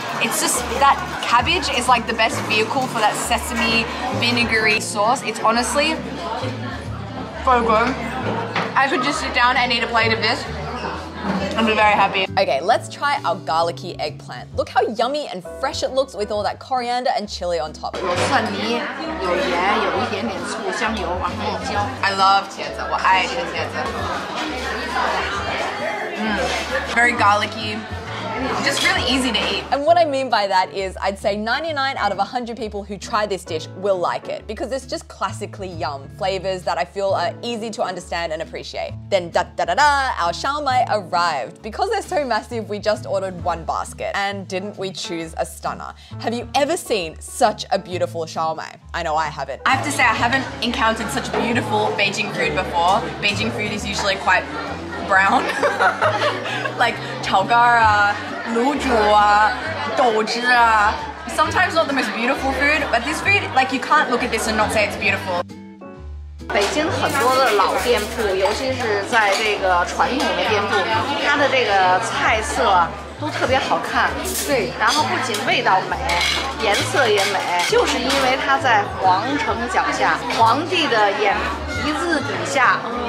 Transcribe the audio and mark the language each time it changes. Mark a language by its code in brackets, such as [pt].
[en] It's just that cabbage is like the best vehicle for that sesame vinegary sauce. It's honestly so good. I could just sit down and eat a plate of this. I'm very happy. Okay, let's try our garlicky eggplant. Look how yummy and fresh it looks with all that coriander and chili on top. [zh] 有蒜泥，有盐，有一点点醋，香油，然后椒。 [en] I love [zh] 茄子，我爱吃茄子。 [en] Very garlicky. Just really easy to eat. And what I mean by that is I'd say 99 out of 100 people who try this dish will like it because it's just classically yum, flavors that I feel are easy to understand and appreciate. Then da da da da, our Shaomai arrived. Because they're so massive, we just ordered one basket. And didn't we choose a stunner? Have you ever seen such a beautiful Shaomai? I know I haven't. I have to say I haven't encountered such beautiful Beijing food before. Beijing food is usually quite brown. Like chaogara, luzhu, douzhi. Sometimes not the most beautiful food, but this food, like you can't look at this and not say it's beautiful. [zh] 北京很多的老店铺，尤其是在这个传统的店铺，它的这个菜色都特别好看。对，然后不仅味道美，颜色也美，就是因为它在皇城脚下，皇帝的眼鼻子底下。